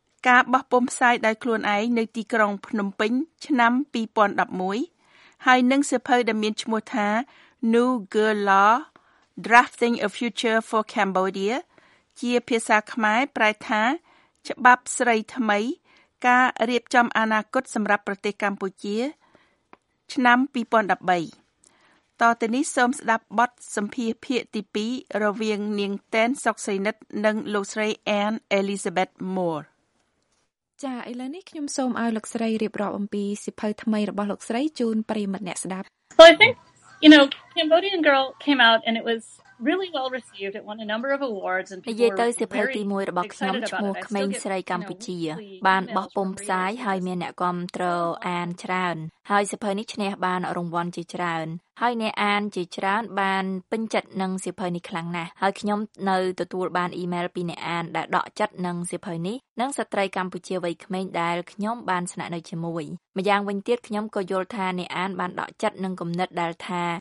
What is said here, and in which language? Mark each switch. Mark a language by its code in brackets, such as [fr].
[km] ការបោះពុម្ពផ្សាយដោយខ្លួនឯងនៅទីក្រុងភ្នំពេញឆ្នាំ2011ហើយនឹងសៀវភៅដែលមានឈ្មោះថា New Girl Law Drafting a Future for Cambodia ជាភាសាខ្មែរប្រែថាច្បាប់ស្រីថ្មីការរៀបចំអនាគតសម្រាប់ប្រទេសកម្ពុជាឆ្នាំ2013តទៅនេះសូមស្ដាប់បទសម្ភាសន៍ភាគទី2រវាងនាងតែនសុកសេនិតនិងលោកស្រី Anne Elizabeth Moore ចា៎ឥឡូវនេះខ្ញុំសូមឲ្យលោកស្រីរៀបរាប់អំពីសិភៅថ្មីរបស់លោកស្រីជូនប្រិមត្តអ្នកស្ដាប់ [en] So I think you know Cambodian Girl came out and it was really well received. It won a number of awards and people were very excited about it. [km] យេតើសិភៅទី1របស់ខ្ញុំឈ្មោះក្មេងស្រីកម្ពុជាបានបោះពុម្ពផ្សាយហើយមានអ្នកគាំទ្រអានច្រើនហើយសិភៅនេះឈ្នះបានរង្វាន់ជាច្រើនហើយអ្នកអានជាច្រើនបានពេញចិត្តនឹងសិភៅនេះខ្លាំងណាស់ហើយខ្ញុំនៅទទួលបានអ៊ីមែលពីអ្នកអានដែលដកចិត្តនឹងសិភៅនេះនិងស្ត្រីកម្ពុជាវ័យក្មេងដែលខ្ញុំបានស្នាក់នៅជាមួយម្យ៉ាងវិញទៀតខ្ញុំក៏យល់ថាអ្នកអានបានដកចិត្តនឹងគំនិតដែលថា